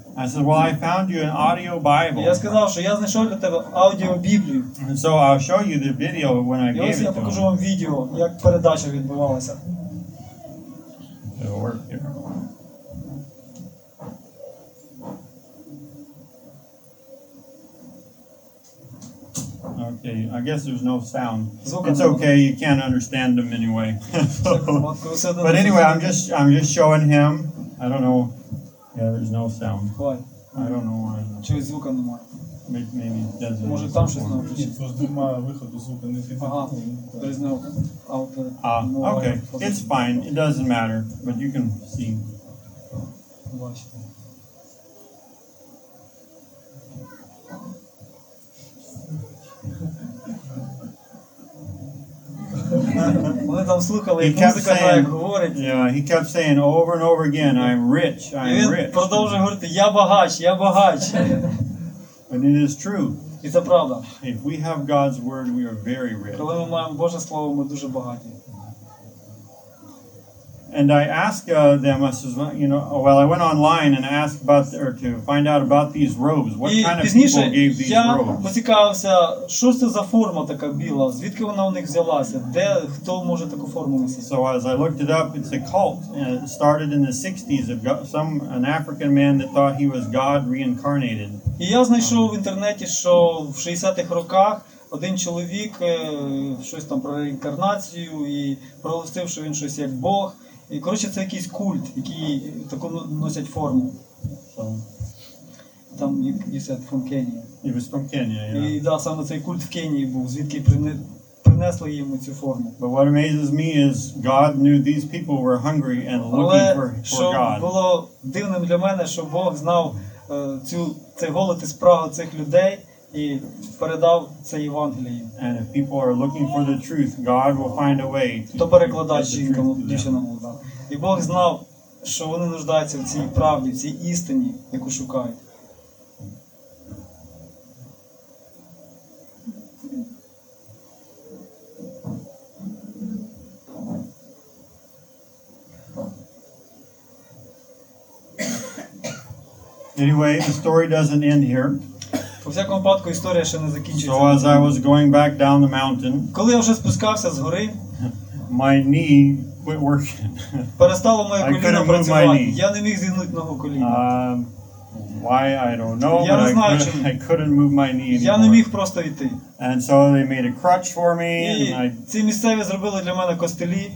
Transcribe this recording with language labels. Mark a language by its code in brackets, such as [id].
[en] I said, "Well, I found you an audio Bible." [uk] Я сказав, що я знайшов для тебе аудіобіблію. [en] So I'll show you the video when I gave it to him. [uk] Я покажу вам відео, як передача відбувалася. [en] It'll work here. Okay, I guess there's no sound. It's okay, you can't understand them anyway. But anyway, I'm just showing him. I don't know. Yeah, there's no sound. Why? I don't know why. [uk] Чого звука немає? [en] Maybe it doesn't. [uk] Може там щось не виходить. Тож немає виходу звука, не фіга. Ага. [en] There's no out. Okay. It's fine. It doesn't matter, but you can see. [uk] Вони там слухали, як музика грає, як говорить. [en] Yeah, he kept saying over and over again, I'm rich, I'm rich. [uk] І він продовжує говорити, я багач, я багач. [en] And it is true. [uk] І це правда. [en] If we have God's word, we are very rich. [uk] Коли ми маємо Боже слово, ми дуже багаті. [en] And I asked them, I says, you know, well, I went online and asked about or to find out about these robes. What kind of people gave these robes? [uk] Я поцікавився, що це за форма така біла, звідки вона у них взялася, де хто може таку форму носити? [en] So as I looked it up, it's a cult. It started in the 60s of an African man that thought he was God reincarnated. [uk] І я знайшов в інтернеті, що в 60-х роках один чоловік щось там про реінкарнацію і проголосив, що він щось як Бог. І, коротше, це якийсь культ, який таку носять форму. Там, [en] you said, from Kenya. It was from Kenya, yeah. [uk] І, да, саме цей культ в Кенії був, звідки принесли йому цю форму. [en] But what amazes me is God knew these people were hungry and looking for God. [uk] Але, що було дивним для мене, що Бог знав цей голод і спрагу цих людей і передав це Євангеліє. [en] And if people are looking for the truth, God will find a way to get the truth. [uk] То перекладав жінкому, дівчинному. І Бог знав, що вони нуждаються в цій правді, в цій істині, яку шукають. [en] Anyway, the story doesn't end here. [uk] У всякому випадку, історія ще не закінчиться. [en] So as I was going back down the mountain, [uk] коли я вже спускався з гори, [en] my knee quit working. [uk] Перестало моє коліно працювати. Я не міг зігнути ногу коліна. [en] Why I don't know. [uk] Я не знаю, [en] I couldn't move my knee anymore. [uk] Я не міг просто йти. [en] And so they made a crutch for me. [uk] І ці місцеві зробили для мене костилі.